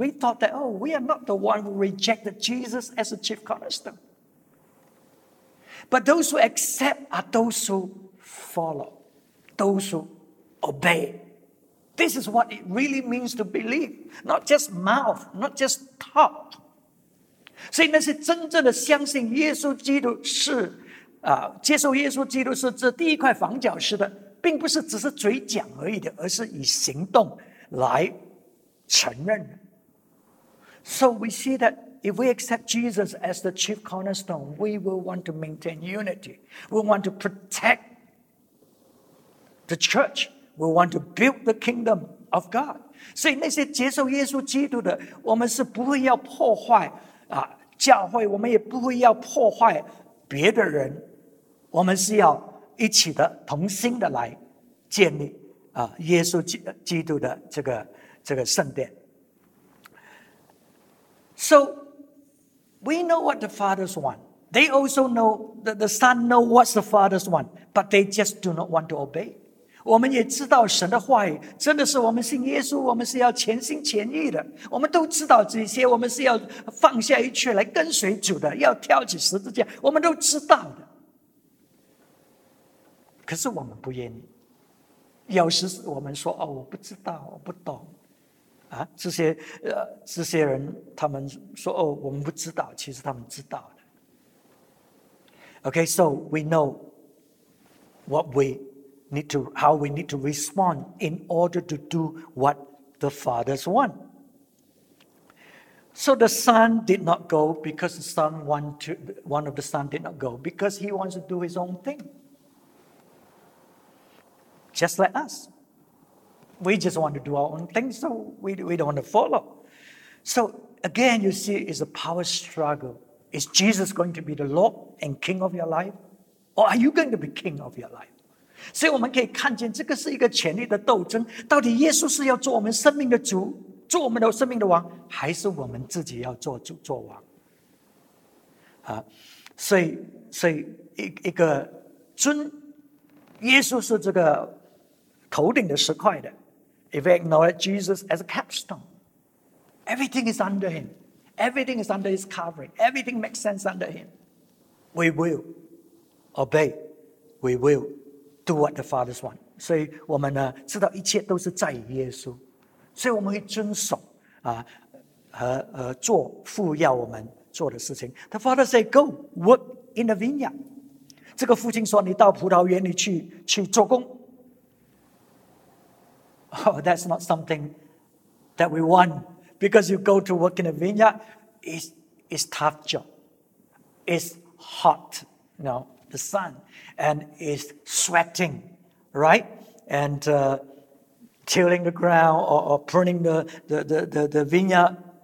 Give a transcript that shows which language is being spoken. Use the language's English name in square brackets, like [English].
[English] We thought that, oh, we are not the one who rejected Jesus as a chief cornerstone. But those who accept are those who follow, those who obey. This is what it really means to believe, not just mouth, not just talk. [Chinese] 所以那些真正的相信耶稣基督是、接受耶稣基督是这第一块房角石的，并不是只是嘴讲而已的，而是以行动来承认的。 [English] So we see that if we accept Jesus as the chief cornerstone, we will want to maintain unity. We want to protect the church. We want to build the kingdom of God. [Chinese] 所以那些接受耶稣基督的，我们是不会要破坏、教会，我们也不会要破坏别的人，我们是要一起的同心的来建立、耶稣基督的这个圣殿。 [English] So we know what the Father's want. They also know that the Son know what the Father's want, but they just do not want to obey. [Chinese] 我们也知道神的话语，真的是我们信耶稣，我们是要全心全意的。我们都知道这些，我们是要放下一切来跟随主的，要挑起十字架，我们都知道的。可是我们不愿意。有时我们说，哦，我不知道，我不懂。啊，这些人他们说，哦，我们不知道，其实他们知道的。 [English] Okay, so we know what we. How we need to respond in order to do what the Father's want. So the son did not go because one of the son did not go because he wants to do his own thing. Just like us. We just want to do our own thing, so we don't want to follow. So again, you see, it's a power struggle. Is Jesus going to be the Lord and King of your life? Or are you going to be King of your life? [Chinese] 所以我们可以看见这个是一个权力的斗争，到底耶稣是要做我们生命的主，做我们的生命的王，还是我们自己要做主做王、所以一个尊耶稣是这个头顶的石块的。 [English] If we acknowledge Jesus as a capstone, everything is under him. Everything is under his covering. Everything makes sense under him. We will obey. We will do what the Father wants. [Chinese] 所以我们呢知道一切都是在于耶稣。所以我们会遵守啊和做父要我们做的事情。 [English] The Father said, go work in the vineyard. [Chinese] 这个父亲说你到葡萄园里去做工。 [English] Oh, that's not something that we want. Because you go to work in a vineyard, it's tough job. It's hot, you know, the sun. And it's sweating, right? And tilling the ground or pruning the vineyard.